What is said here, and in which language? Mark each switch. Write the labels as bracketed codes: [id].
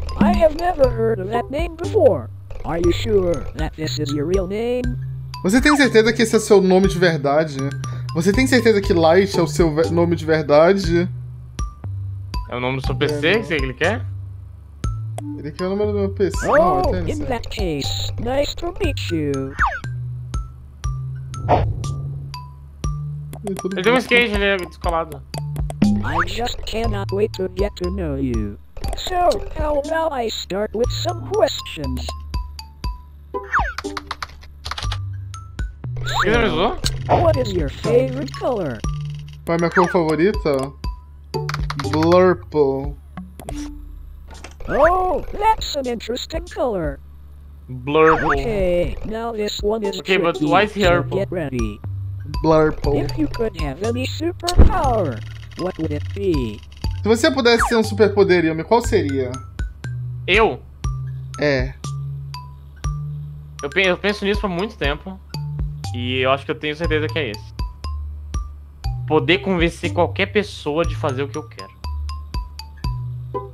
[en] I have never heard of that name before. Are you sure that this is your real name? [pt] Você tem certeza que esse é seu nome de verdade? Você tem certeza que Light é o seu nome de verdade? É o nome do seu PC que ele quer? Ele quer o número do meu PC. [en] Oh, in that case, nice to meet you. [pt] Ele tem um skate, ele é descolado. [en] I just cannot wait to get to know you. So, how about I start with some questions? [pt] Você me zoou? [en] What is your favorite color? [pt] Qual é a minha cor favorita? Blurple. [en] Oh, that's an interesting color. Blurple. Okay, now this one is okay, tricky, but why is Herple? So get ready. Blurple. If you could have any superpower, what would it be? [pt] Se você pudesse ter um superpoder, Yuumi, qual seria? Eu? É. Eu penso nisso por muito tempo. E eu acho que eu tenho certeza que é esse. Poder convencer qualquer pessoa de fazer o que eu quero.